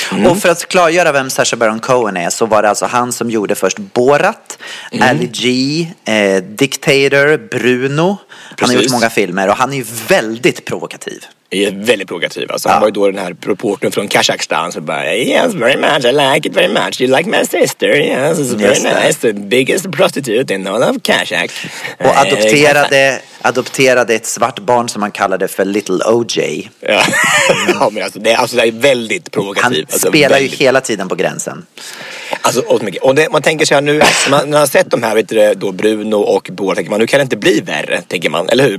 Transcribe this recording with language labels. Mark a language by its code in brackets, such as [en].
[sv] Och för att klargöra vem Sacha Baron Cohen är, så var det alltså han som gjorde först Borat, Ali G, Dictator, Bruno. Han har gjort många filmer och han är ju väldigt provokativ. Är väldigt provokativ. Alltså, han var ju då den här reporten från Kazakhstan som bara, [en] yes, very much, I like it very much. You like my sister, yes, it's very nice. The biggest prostitute in all of Kazakh. [sv] Och adopterade ett svart barn som han kallade för Little OJ. Ja, men alltså, det är väldigt provokativ. Han alltså, spelar ju hela tiden på gränsen. Alltså, och det, man tänker så här nu, när man har sett de här, vet du, då Bruno och Bård, tänker man, nu kan det inte bli värre, tänker man, eller hur?